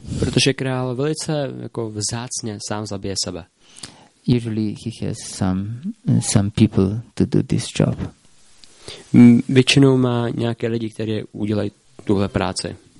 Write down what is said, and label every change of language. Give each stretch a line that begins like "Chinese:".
Czech: Protože král velice jako vzácně sám zabije sebe.
English: Usually he has some people to do this job.
Czech: Většinou má nějaké lidi, kteří udělají tuhle práci.